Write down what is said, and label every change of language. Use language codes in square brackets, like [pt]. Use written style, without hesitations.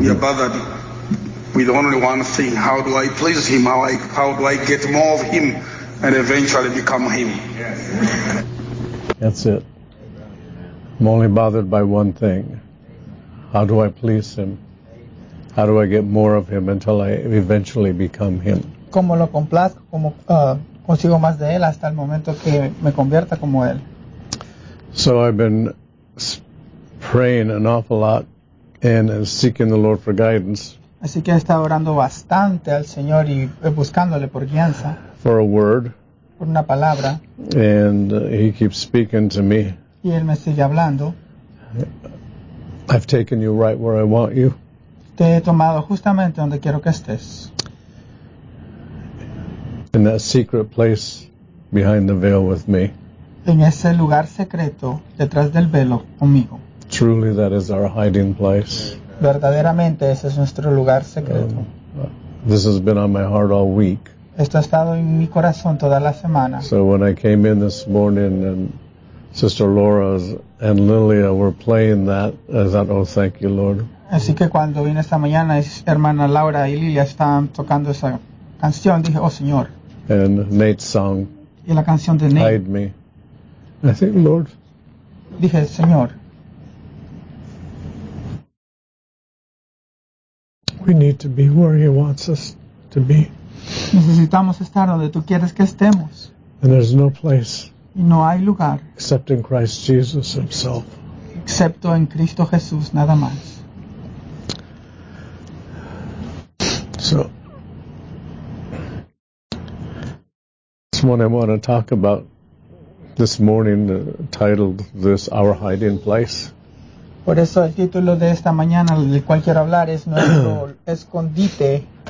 [en] We are bothered with only one thing. How do I please him? How do I get more of him and eventually become him? Yes. That's it. I'm only bothered by one thing. How do I please him? How do I get more of him until I eventually become him? [es] ¿Cómo lo complazco? ¿Cómo consigo más de él hasta el momento que me convierta como él? [en] So I've been praying an awful lot and seeking the Lord for guidance. [es] Así que he estado orando bastante al Señor y buscándole por guianza. [en] For a word. [es] Por una palabra. [en] And he keeps speaking to me. [es] Y él me sigue hablando. [en] I've taken you right where I want you. [es] Te he tomado justamente donde quiero que estés. [en] In that secret place behind the veil with me. [es] En ese lugar secreto detrás del velo conmigo. [en] Truly that is our hiding place. [es] Verdaderamente ese es nuestro lugar secreto. [en] This has been on my heart all week. [es] Esto ha estado en mi corazón toda la semana. [en] So when I came in this morning and Sister Laura and Lilia were playing that, I thought, oh, thank you, Lord. [es] Así que cuando vine esta mañana, hermana Laura y Lilia estaban tocando esa canción, dije, oh, Señor. [en] And Nate's song. [es] Y la canción de Nate. [en] Hide me. I think, Lord. [es] Dije, Señor. [en] We need to be where He wants us to be. [es] Necesitamos estar donde tú quieres que estemos. [en] And there's no place. [es] No hay lugar. [en] Except in Christ Jesus Himself. [es] Excepto en Cristo Jesús, nada más. [en] So, that's what I want to talk about this morning, titled this, Our Hiding Place. [es] Por eso el título de esta mañana del cual quiero hablar es nuestro escondite.